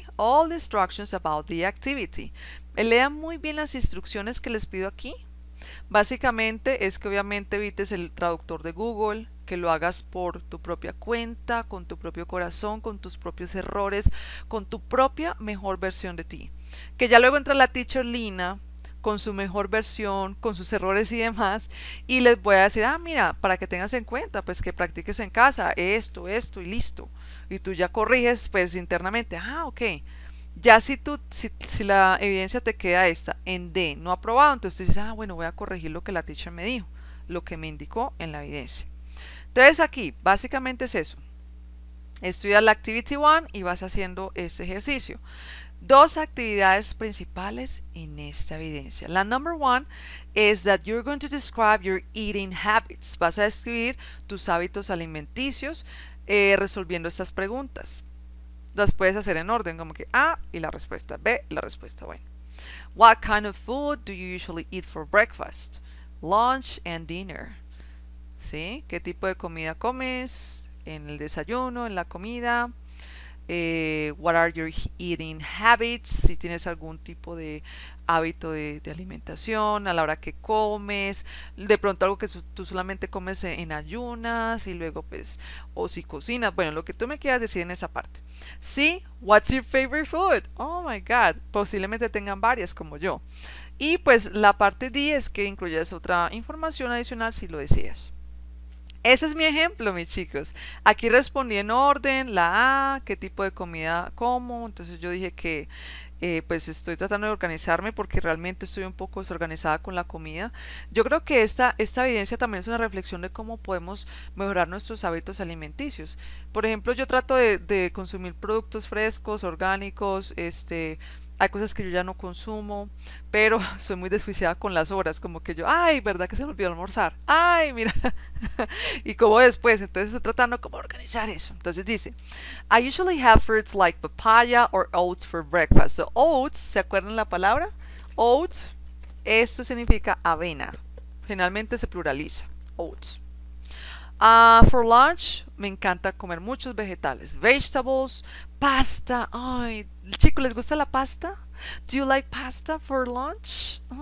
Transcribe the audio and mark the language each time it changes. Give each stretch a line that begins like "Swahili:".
English: All the instructions about the activity.
Spanish: Lean muy bien las instrucciones que les pido aquí. Básicamente es que obviamente evites el traductor de Google, que lo hagas por tu propia cuenta, con tu propio corazón, con tus propios errores, con tu propia mejor versión de ti. Que ya luego entra la teacher Lina con su mejor versión, con sus errores y demás, y les voy a decir, ah, mira, para que tengas en cuenta, pues que practiques en casa, esto, esto, y listo. Y tú ya corriges, pues internamente, ah, ok. Ya si tú, si la evidencia te queda esta, en D, no aprobado, entonces tú dices, ah, bueno, voy a corregir lo que la teacher me dijo, lo que me indicó en la evidencia. Entonces aquí, básicamente es eso. Estudias la Activity 1 y vas haciendo este ejercicio. Dos actividades principales en esta evidencia.
English: La number one is that you're going to describe your eating habits.
Spanish: Vas a describir tus hábitos alimenticios resolviendo estas preguntas. Las puedes hacer en orden, como que A y la respuesta B, la respuesta bueno.
English: What kind of food do you usually eat for breakfast, lunch and dinner?
Spanish: ¿Sí? ¿Qué tipo de comida comes en el desayuno, en la comida?
English: What are your eating habits?
Spanish: Si tienes algún tipo de hábito de alimentación a la hora que comes, de pronto algo que tú solamente comes en ayunas y luego pues, o si cocinas, bueno, lo que tú me quieras decir en esa parte.
English: Sí, what's your favorite food? Oh my God,
Spanish: posiblemente tengan varias como yo. Y pues la parte D es que incluyas otra información adicional si lo deseas. Ese es mi ejemplo, mis chicos. Aquí respondí en orden, la A, qué tipo de comida como. Entonces yo dije que pues estoy tratando de organizarme porque realmente estoy un poco desorganizada con la comida. Yo creo que esta evidencia también es una reflexión de cómo podemos mejorar nuestros hábitos alimenticios. Por ejemplo, yo trato de consumir productos frescos, orgánicos, hay cosas que yo ya no consumo, pero soy muy desjuiciada con las horas, como que yo, ay, ¿verdad que se me olvidó almorzar? Ay, mira, y como después, entonces estoy tratando como organizar eso. Entonces dice,
English: I usually have fruits like papaya or oats for breakfast.
Spanish: So oats, ¿se acuerdan la palabra? Oats, esto significa avena, generalmente se pluraliza, oats.
English: For lunch,
Spanish: me encanta comer muchos vegetales, vegetables, pasta. Ay, chico, ¿les gusta la pasta?
English: Do you like pasta for lunch?